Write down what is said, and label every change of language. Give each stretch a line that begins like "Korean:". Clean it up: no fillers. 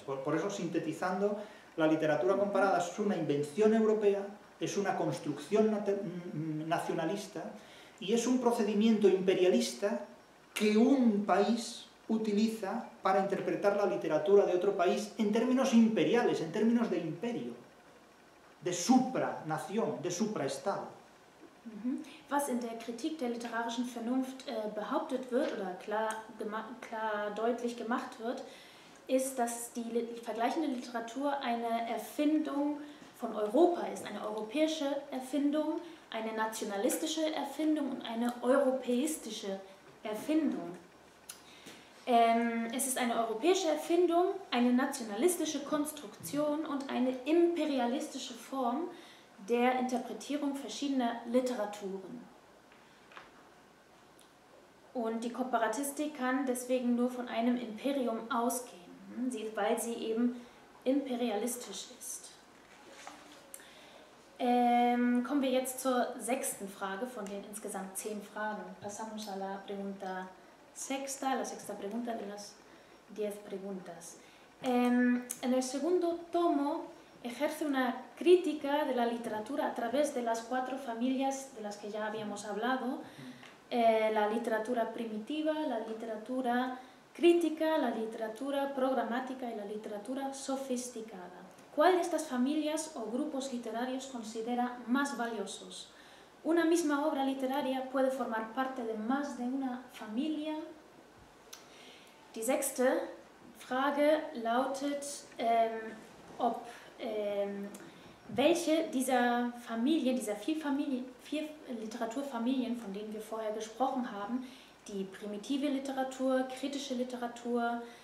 Spanish: Por eso, sintetizando, la literatura comparada es una invención europea, es una construcción nacionalista y es un procedimiento imperialista que un país utiliza para interpretar la literatura de otro país en términos imperiales, en términos de imperio, de supranación, de supraestado.
German: Was in der Kritik der literarischen Vernunft behauptet wird oder klar deutlich gemacht wird, ist, dass die vergleichende Literatur eine Erfindung von Europa ist, eine europäische Erfindung, eine nationalistische Erfindung und eine europäistische Erfindung. Es ist eine europäische Erfindung, eine nationalistische Konstruktion und eine imperialistische Form der Interpretierung verschiedener Literaturen. Und die Komparatistik kann deswegen nur von einem Imperium ausgehen, weil sie eben imperialistisch ist. Kommen wir jetzt zur sechsten Frage von den insgesamt 10 Fragen.
Spanish: Pasamos a la pregunta sexta, la sexta pregunta de las 10 preguntas. En el segundo tomo ejerce una crítica de la literatura a través de las 4 familias de las que ya habíamos hablado, la literatura primitiva, la literatura crítica, la literatura programática y la literatura sofisticada. ¿Cuál de estas familias o grupos literarios considera más valiosos? ¿Una misma obra literaria puede formar parte de más de una familia?
German: Die sechste Frage lautet, ob welche dieser Familien, dieser vier Literaturfamilien, von denen wir vorher gesprochen haben, die primitive Literatur, kritische Literatur,